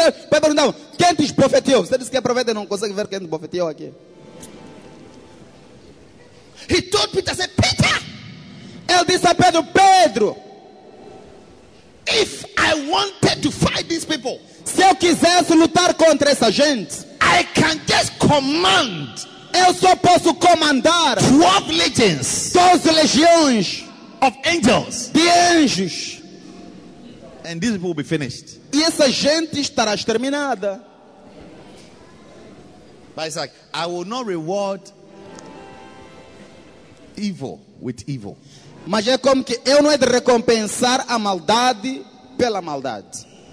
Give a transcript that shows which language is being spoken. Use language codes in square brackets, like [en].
[pt] Vai perguntar, quem te profetizou? Você disse que é profeta e não consegue ver quem te profetizou aqui. [en] He told Peter, said, Peter! [pt] Ele disse a Pedro, Pedro, [en] if I wanted to fight these people, [pt] se eu quisesse lutar contra essa gente, [en] I can just command. [pt] Eu só posso comandar [en] 12 legions, [pt] 12 legiões [en] of angels, [pt] de anjos, [en] and these people will be finished. [pt] E essa gente estará exterminada. [en] But it's like, I will not reward evil with evil. [pt] Mas é como que eu não é de recompensar a maldade pela maldade.